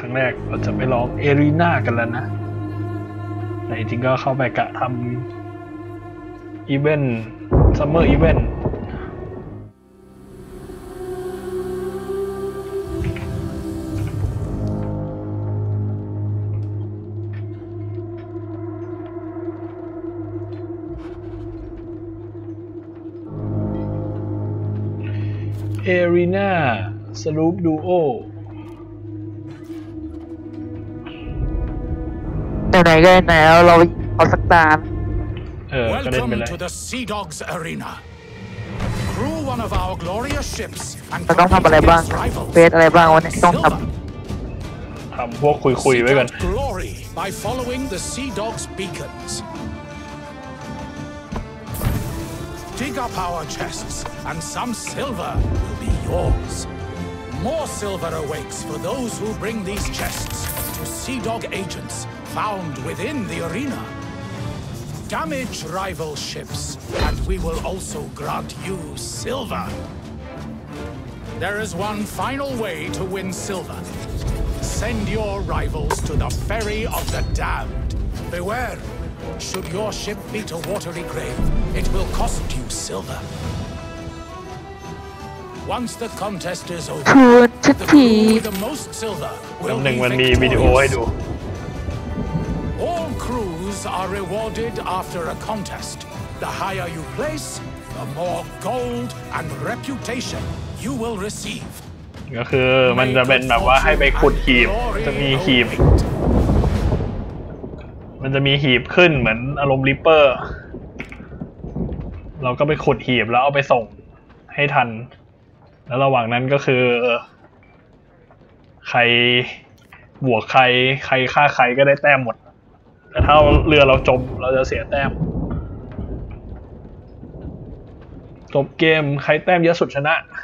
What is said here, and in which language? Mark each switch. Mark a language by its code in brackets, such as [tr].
[th] งแรกเราจะไปลองเอรีนากันแล้วนะแต่จริงก็เข้าไปกะทำอีเวนต์ซัมเมอร์อีเวนต์เอรีนาสรูปดูโอ ไหนก็ไหนแล้วเราเอาสักตา [en] Welcome to the Sea Dogs Arena. Crew one of our glorious ships and captain of our rival. [th] เฟสอะไรบ้างวันนี้ต้องทำ พวกคุยไว้ก่อน [en] Glory by following the Sea Dogs beacons. Dig up our chests and some silver will be yours. More silver awaits for those who bring these chests to Sea Dog agents. Found within the arena. Damage rival ships, and we will also grant you silver. There is one final way to win silver. Send your rivals to the Ferry of the Damned. Beware, should your ship meet a watery grave, it will cost you silver. Once the contest is over, the crew with the most silver will be victorious. All crews are rewarded after a contest. The higher you place, the more gold and reputation you will receive. [th] ก็คือมันจะเป็นแบบว่าให้ไปขุดหีบจะมีหีบมันจะมีหีบขึ้นเหมือนอารมณ์ริปเปอร์เราก็ไปขุดหีบแล้วเอาไปส่งให้ทันแล้วระหว่างนั้นก็คือใครบวกใครฆ่าใครก็ได้แต้มหมดแต่ถ้าเรือเราจมเราจะเสียแต้มจบเกมใครแต้มเยอะสุดชนะ